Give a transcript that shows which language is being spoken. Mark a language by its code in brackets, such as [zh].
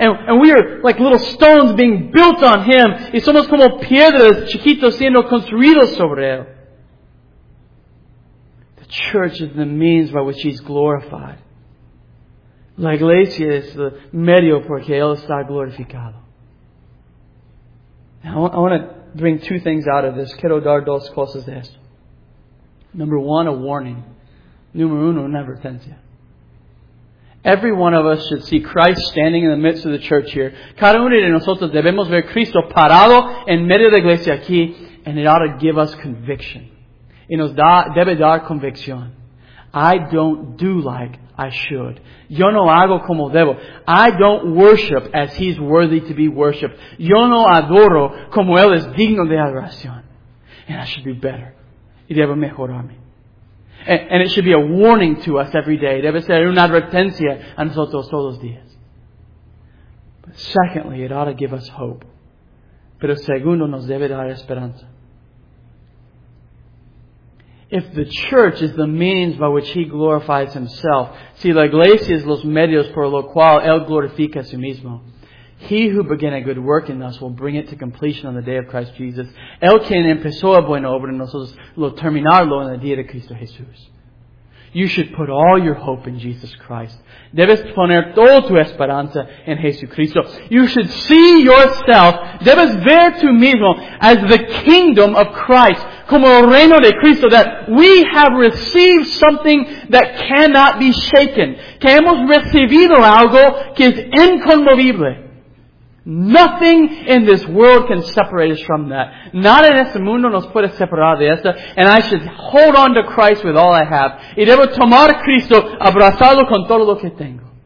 [en] And we are like little stones being built on Him. [es] Y somos como piedras chiquitos siendo construidos sobre Él. [en] The church is the means by which He's glorified. [es] La iglesia es el medio porque Él está glorificado. [en] Now, I want to bring two things out of this. [es] Quiero dar dos cosas de esto. [en] Number one, a warning. [es] Número uno, una advertencia. [en] Every one of us should see Christ standing in the midst of the church here. [es] Cada uno de nosotros debemos ver Cristo parado en medio de la iglesia aquí, [en] and it ought to give us conviction. [es] Y nos da, debe dar convicción. [en] I don't do like I should. [es] Yo no hago como debo. [en] I don't worship as He's worthy to be worshipped. [es] Yo no adoro como Él es digno de adoración. [en] And I should do better. [es] Y debe mejorarme. [en] And it should be a warning to us every day. [es] Debe ser una advertencia a nosotros todos los días. [en] But secondly, it ought to give us hope. [es] Pero segundo, nos debe dar esperanza. [en] If the church is the means by which He glorifies Himself, [es] si la iglesia es los medios por lo cual Él glorifica a sí mismo, [en] He who began a good work in us will bring it to completion on the day of Christ Jesus. [es] El quien empezó a buena obra en nosotros lo terminará en el día de Cristo Jesús. [en] You should put all your hope in Jesus Christ. [es] Debes poner toda tu esperanza en Jesucristo. [en] You should see yourself, [es] debes ver tú mismo, [en] as the kingdom of Christ, [es] como el reino de Cristo, [en] that we have received something that cannot be shaken. [es] Que hemos recibido algo que es inconmovible. [en] Nothing in this world can separate us from that. [es] Nada en este mundo nos puede separar de esto. [en] And I should hold on to Christ with all I have. [es] Y debo tomar Cristo, abrazarlo con todo lo que tengo.